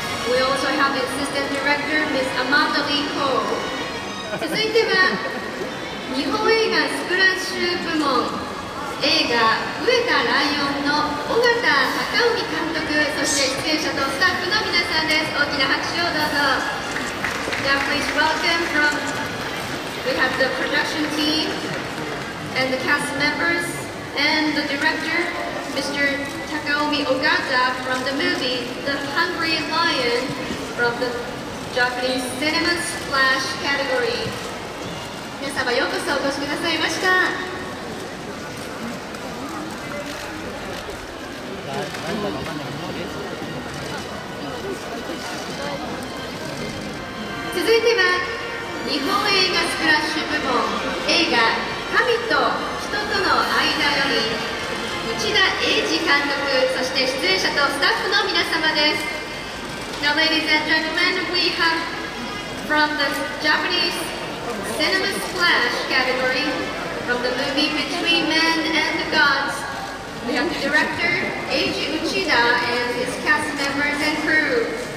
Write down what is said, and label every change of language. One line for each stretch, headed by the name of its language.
English: We also have assistant director, Ms. Amanda Lee Ko.
Japanese: 続いては、日本映画スプラッシュ部門、映画、飢えたライオンの緒方貴臣監督、そして出演者とスタッフの皆さんです。大きな拍手をどうぞ。
English: Now please welcome from, we have the production team, and the cast members, and the director, Mr. Takaomi Ogata from the movie The Hungry Lion from the Japanese Cinema Splash category.
Japanese: 皆様ようこそお越しくださいました。続いては日本映画スクラッシュ部門映画神と人との間より内田英二監督、そして出演者とスタッフの皆様です。
English: Now, ladies and gentlemen, we have from the Japanese Cinema Splash category, from the movie Between Men and the Gods, we have the director, Eiji Uchida, and his cast members and crew.